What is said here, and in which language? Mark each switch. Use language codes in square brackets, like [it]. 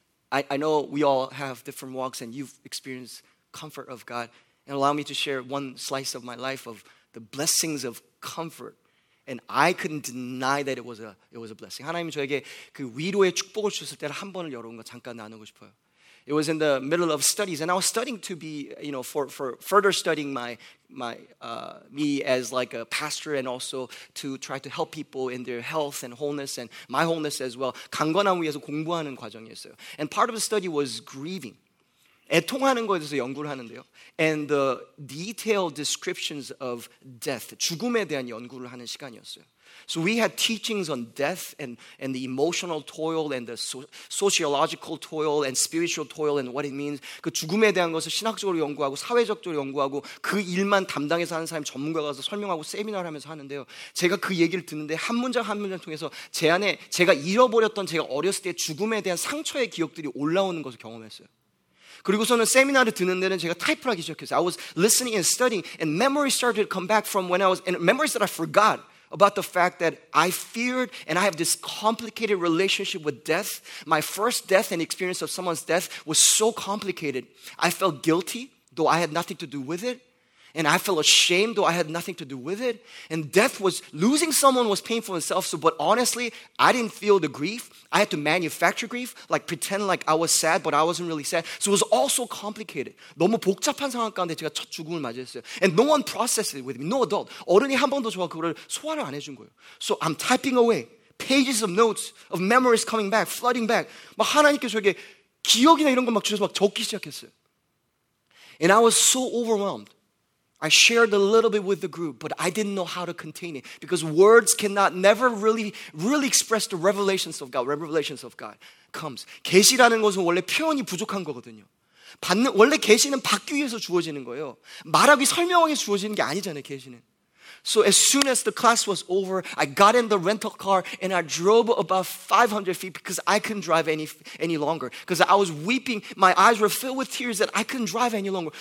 [en] I know we all have different walks and you've experienced comfort of God. And allow me to share one slice of my life of the blessings of comfort. And I couldn't deny that it was a blessing. [ko] 하나님 저에게 그 위로의 축복을 주셨을 때를 한 번을 여러분과 잠깐 나누고 싶어요. [en] It was in the middle of studies, and I was studying to be, you know, for further studying me as like a pastor, and also to try to help people in their health and wholeness, and my wholeness as well. [ko] 강건함을 위해서 공부하는 과정이었어요. [en] And part of the study was grieving. [ko] 애통하는 거에 대해서 연구를 하는데요. [en] And the detailed descriptions of death, [ko] 죽음에 대한 연구를 하는 시간이었어요. [en] So we had teachings on death and the emotional toil and the sociological toil and spiritual toil and what it means. [ko] 그 죽음에 대한 것을 신학적으로 연구하고 사회적으로 연구하고 그 일만 담당해서 하는 사람 전문가가 와서 설명하고 세미나를 하면서 하는데요. 제가 그 얘기를 듣는데 한 문장 한 문장 통해서 제 안에 제가 잃어버렸던 제가 어렸을 때 죽음에 대한 상처의 기억들이 올라오는 것을 경험했어요. 그리고서는 세미나를 듣는 데는 제가 타이프를 하기 시작했어요. [en] I was listening and studying and memories started to come back from when I was, and memories that I forgot. About the fact that I feared and I have this complicated relationship with death. My first death and experience of someone's death was so complicated. I felt guilty, though I had nothing to do with it. And I felt ashamed, though I had nothing to do with it. And death was, losing someone was painful in itself. So, but honestly, I didn't feel the grief. I had to manufacture grief, like pretend like I was sad, but I wasn't really sad. So it was all so complicated. [ko] 너무 복잡한 상황 가운데 제가 첫 죽음을 맞이했어요. [en] And no one processed it with me, no adult. [ko] 어른이 한 번도 저와 그걸 소화를 안 해준 거예요. [en] So I'm typing away, pages of notes, of memories coming back, flooding back. [ko] 막 하나님께 저에게 기억이나 이런 거 막 주셔서 막 적기 시작했어요. [en] And I was so overwhelmed. I shared a little bit with the group, but I didn't know how to contain it because words cannot never really, really express the revelations of God. Revelations of God comes. [ko] 계시라는 것은 원래 표현이 부족한 거거든요. 받는 원래 계시는 받기 위해서 주어지는 거예요. 말하기 설명하기 위해서 주어지는 게 아니잖아요. 계시는. [en] So as soon as the class was over, I got in the rental car and I drove about 500 feet because I couldn't drive any longer. Because I was weeping, my eyes were filled with tears that I couldn't drive any longer.